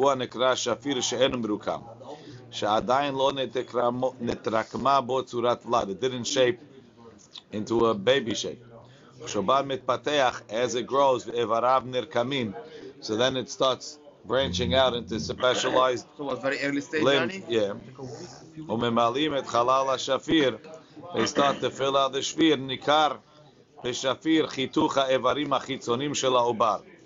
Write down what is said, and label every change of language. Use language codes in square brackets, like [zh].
[he] והוא הנקרא שפיר שאין מרוקם, שעדיין לא נתרקמה בו צורת ולד. [en] It didn't shape into a baby shape. [he] כשבר מתפתח, [en] as it grows, [he] ואיבריו נרקמים. [en] So then it starts branching out into specialized limbs. So it's very early stage, Danny? Yeah. [he] וממלאים את חלל השפיר, [en] they start to fill out the [he] שפיר, ניכר בשפיר חיתוך האיברים החיצונים של העובר.